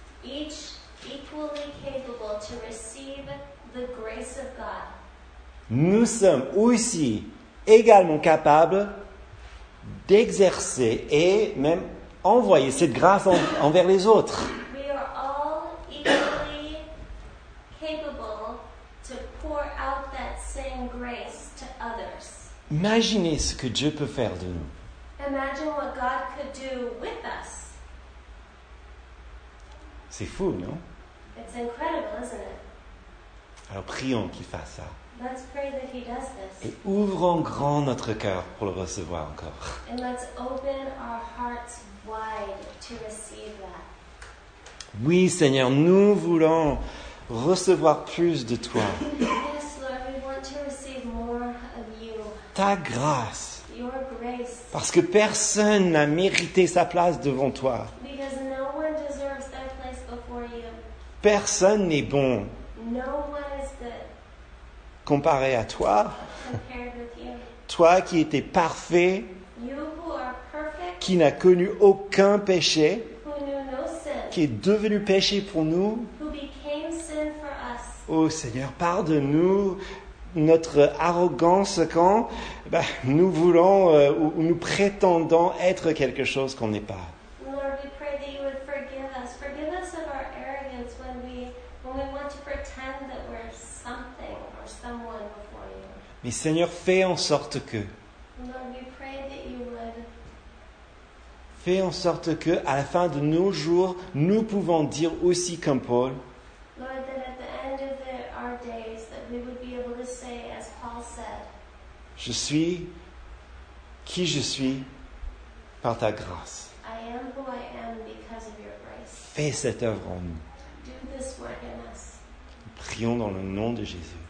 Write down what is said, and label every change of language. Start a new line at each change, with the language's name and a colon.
English: each equally capable to receive the grace of God,
French: nous sommes aussi également capables d'exercer et même envoyer cette grâce envers les autres.
English: We are all equally capable to pour out that same grace to others.
French: Imaginez ce que Dieu peut faire de nous.
English: Imagine what God could do with us.
French: C'est fou, non?
English: It's incredible, isn't it?
French: Alors prions qu'il fasse ça.
English: Let's pray that he does this.
French: Et ouvrons grand notre cœur pour le recevoir encore.
English: And let's open our hearts wide to receive that.
French: Oui, Seigneur, nous voulons recevoir plus de toi.
English: Yes, Lord, we want to receive more of you.
French: Ta grâce.
English: Your grace.
French: Parce que personne n'a mérité sa place devant toi.
English: Because no one deserves their place before you.
French: Personne n'est bon.
English: No one is good.
French: Comparé à toi.
English: Compared with you.
French: Toi qui étais parfait.
English: You who are perfect,
French: qui n'a connu aucun péché.
English: Who knew no sin,
French: qui est devenu péché pour nous.
English: Who became sin for us.
French: Oh Seigneur, pardonne-nous notre arrogance quand ben, nous voulons ou nous prétendons être quelque chose qu'on n'est pas.
English: Lord, we pray that you would forgive us. Forgive us of our arrogance when we want to pretend that we're something or someone before you.
French: Mais Seigneur, fais en sorte que.
English: Lord, we pray that you would.
French: Fais en sorte que, à la fin de nos jours, nous pouvons dire aussi comme Paul.
English: Lord, that at the end of our days, that we would be able to say, as Paul said.
French: Je suis qui je suis par ta grâce.
English: I am who I am because of your grace.
French: Fais cette œuvre en nous.
English: Do this work in us.
French: Prions dans le nom de Jésus.